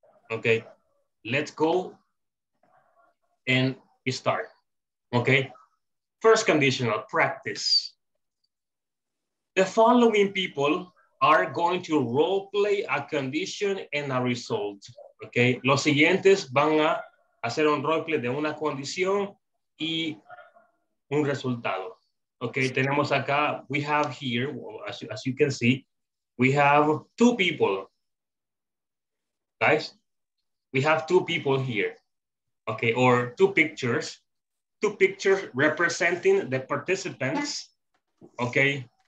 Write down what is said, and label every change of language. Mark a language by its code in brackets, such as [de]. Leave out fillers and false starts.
[en] Okay, let's go and start, okay? First conditional, practice. The following people are going to role play a condition and a result, okay? [es] Los siguientes van a hacer un role play de una condición y un resultado, okay? Tenemos acá, [en] we have here, as you can see, we have two people, guys. We have two people here, okay? Or two pictures representing the participants, okay?